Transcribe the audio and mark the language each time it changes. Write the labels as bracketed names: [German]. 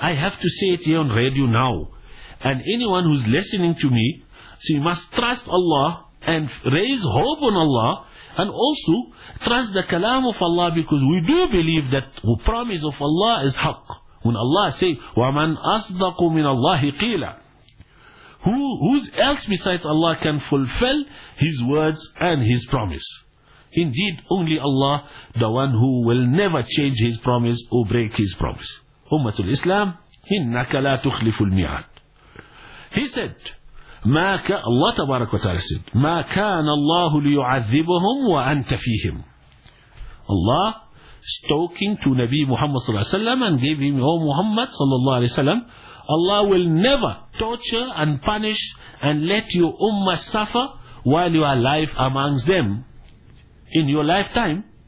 [English] I have to say it here on radio now. And anyone who's listening to me, so you must trust Allah and raise hope on Allah, and also trust the kalam of Allah, because we do believe that the promise of Allah is haqq. When Allah says, [Arabic] وَمَنْ أَصْدَقُ مِنَ اللَّهِ قِيلًا, [English] who else besides Allah can fulfill His words and His promise? Indeed, only Allah, the one who will never change His promise or break His promise. [Arabic] Ummatul Islam, إِنَّكَ لَا تُخْلِفُ الْمِيعَادِ. [English] He said, [Arabic] ما الله تبارك وتعالى said, ما كان الله ليعذبهم وأنت فيهم. [English] Allah talking to Nabi Muhammad صلى الله عليه وسلم and gave him, oh Muhammad صلى الله عليه وسلم, Allah will never torture and punish and let your ummah suffer while you are alive amongst them in your lifetime.